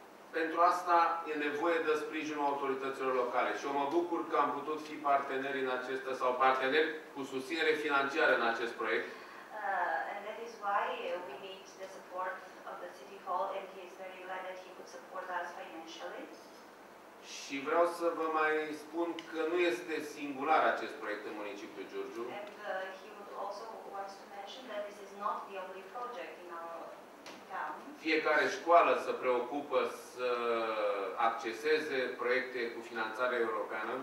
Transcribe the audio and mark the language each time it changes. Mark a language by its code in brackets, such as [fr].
[ro] Pentru asta e nevoie de sprijinul autorităților locale. Și eu mă bucur că am putut fi parteneri în acest, sau parteneri cu susținere financiară în acest proiect. [en] And that is why we need the support of the city hall, and he is very glad that he could support us financially. [ro] Și vreau să vă mai spun că nu este singular acest proiect în municipiul Giurgiu. [en] And he would also want to mention that this is not the only project in our [ro] Fiecare școală se preocupă să acceseze proiecte cu finanțare europeană.